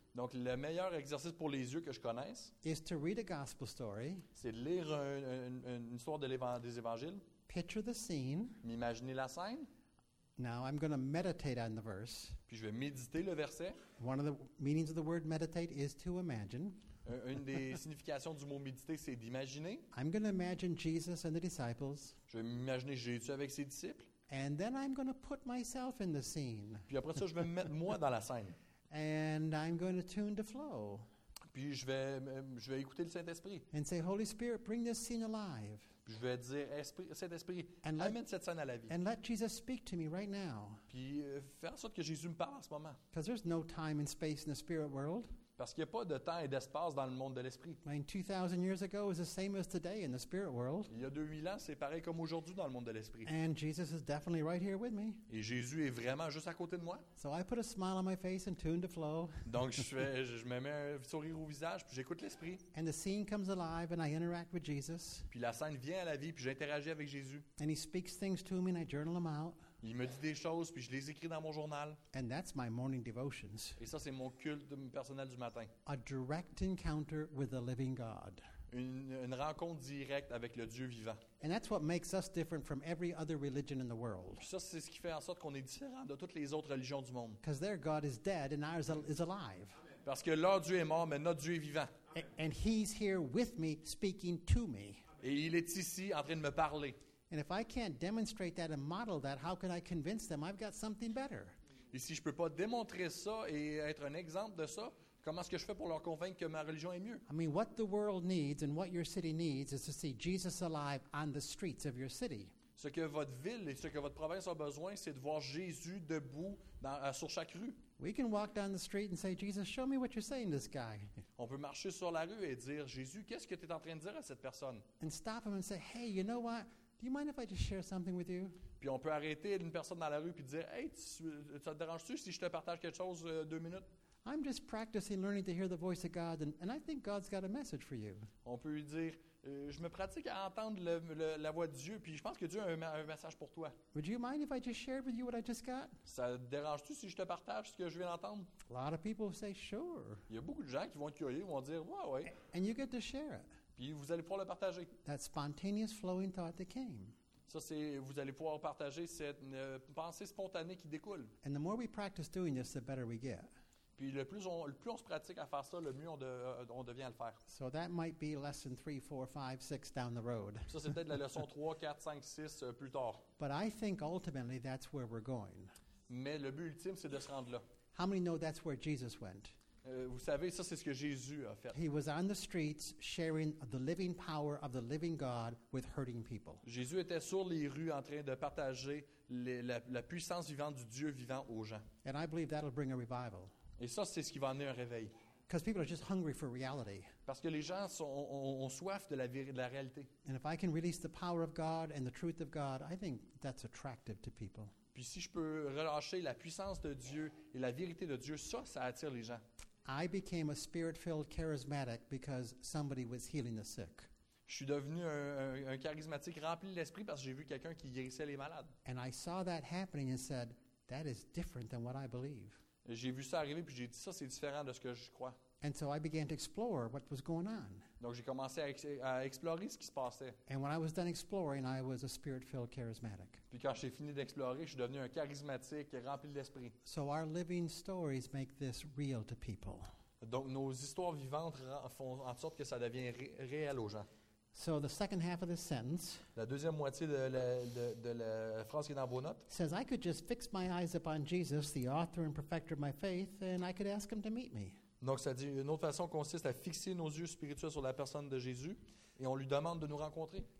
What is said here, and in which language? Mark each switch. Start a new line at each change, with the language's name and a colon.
French: Donc, le meilleur exercice pour les yeux que je connaisse,
English: is to read a gospel story,
French: c'est de lire une histoire des évangiles.
English: Picture the scene.
French: M'imaginer la scène.
English: Now I'm going to meditate on the verse.
French: Puis je vais méditer le verset.
English: One of the meanings of the word meditate is to imagine.
French: Une des significations du mot méditer, c'est d'imaginer.
English: I'm going to imagine Jesus and the disciples.
French: Je vais m'imaginer Jésus avec ses disciples.
English: And then I'm going to put myself in the scene.
French: Puis après ça, je vais me mettre moi dans la scène.
English: And I'm going to tune the flow.
French: Puis je vais écouter le Saint-Esprit.
English: And say, Holy Spirit, bring this scene alive.
French: Puis je vais dire, Saint-Esprit, amène cette scène à la vie.
English: And let Jesus speak to me right now.
French: Puis faire en sorte que Jésus me parle en ce moment.
English: Because there's no time and space in the spirit world.
French: Parce qu'il n'y a pas de temps et d'espace dans le monde de l'esprit.
English: I mean, 2,000 years ago is the same as today in the spirit world.
French: Il y a 2,000 ans, c'est pareil comme aujourd'hui dans le monde de l'esprit.
English: And Jesus is definitely right here with me.
French: Et Jésus est vraiment juste à côté de moi.
English: So I put a smile on my face and tune the flow.
French: Donc je me mets un sourire au visage puis j'écoute l'esprit.
English: And the scene comes alive and I interact with Jesus.
French: Puis la scène vient à la vie puis j'interagis avec Jésus.
English: And he speaks things to me and I journal them out.
French: Il me dit des choses, puis je les écris dans mon journal.
English: And that's my morning devotions.
French: Et ça, c'est mon culte personnel du matin.
English: A direct encounter with the living God.
French: Une rencontre directe avec le Dieu vivant.
English: And that's what makes us different from every other religion in the world.
French: Puis ça, c'est ce qui fait en sorte qu'on est différent de toutes les autres religions du monde.
English: Because their God is dead and ours is alive.
French: Parce que leur Dieu est mort, mais notre Dieu est vivant.
English: And he's here with me, speaking to me.
French: Et il est ici en train de me parler.
English: And if I can't demonstrate that and model that, how can I convince them I've got something better?
French: Et si je peux pas démontrer ça et être un exemple de ça, comment est-ce que je fais pour leur convaincre que ma religion est mieux?
English: I mean, what the world needs and what your city needs is to see Jesus alive on the streets of your city.
French: Ce que votre ville et ce que votre province a besoin, c'est de voir Jésus debout sur chaque rue.
English: We can walk down the street and say, Jesus, show me what you're saying to this guy.
French: On peut marcher sur la rue et dire, Jésus, qu'est-ce que tu es en train de dire à cette personne?
English: And stop him and say, hey, you know what? Do you mind if I just share something with you?
French: Puis on peut arrêter une personne dans la rue puis dire, hey, ça te dérange-tu si je te partage quelque chose deux minutes?
English: I'm just practicing learning to hear the voice of God, and I think God's got a message for you.
French: On peut lui dire, je me pratique à entendre la voix de Dieu, puis je pense que Dieu a un message pour toi.
English: Would you mind if I just shared with you what I just got?
French: Ça te dérange-tu si je te partage ce que je viens d'entendre?
English: A lot of people say sure.
French: Il y a beaucoup de gens qui vont être curieux, vont dire, ouais, ouais.
English: And you get to share it.
French: Puis vous allez pouvoir le partager.
English: That spontaneous flowing thought that came.
French: Ça, c'est, vous allez pouvoir partager cette pensée spontanée qui découle.
English: And the more we practice doing this, the better we get.
French: Puis le plus on se pratique à faire ça, le mieux on devient à le faire.
English: So that might be lesson 3, 4, 5, 6 down the road.
French: Ça, c'est peut-être la leçon 3, 4, 5, 6 plus tard.
English: But I think ultimately that's where we're going.
French: Mais le but ultime, c'est de se rendre là.
English: How many know that's where Jesus went?
French: Vous savez, ça, c'est ce que Jésus a fait.
English: He was on the streets sharing the living power of the living God with hurting people.
French: Jésus était sur les rues en train de partager la puissance vivante du Dieu vivant aux gens.
English: And I believe that'll bring a revival.
French: Et ça, c'est ce qui va amener un réveil.
English: Because people are just hungry for reality.
French: Parce que les gens ont soif de la réalité.
English: And if I can release the power of God and the truth of God, I think that's attractive to people.
French: Puis si je peux relâcher la puissance de Dieu et la vérité de Dieu, ça attire les gens.
English: I became a spirit-filled charismatic because somebody was healing the sick.
French: Je suis devenu un charismatique rempli de l'esprit parce que j'ai vu quelqu'un qui guérissait les malades.
English: And I saw that happening and said, that is different than what I believe.
French: Et j'ai vu ça arriver puis j'ai dit ça c'est différent de ce que je crois.
English: And so I began to explore what was going on.
French: Donc j'ai commencé à explorer ce qui se passait.
English: And when I was done exploring, I was a spirit-filled charismatic.
French: Puis quand j'ai fini d'explorer, je suis devenu un charismatique rempli d'esprit.
English: So our living stories make this real to people.
French: Donc nos histoires vivantes font en sorte que ça devient réel aux gens.
English: So the second half of this sentence.
French: La deuxième moitié de la phrase qui est dans vos notes.
English: Says I could just fix my eyes upon Jesus, the author and perfecter of my faith, and I could ask him to meet me.
French: Donc, ça dit, une autre façon consiste à fixer nos yeux spirituels sur la personne de Jésus et on lui demande de nous rencontrer.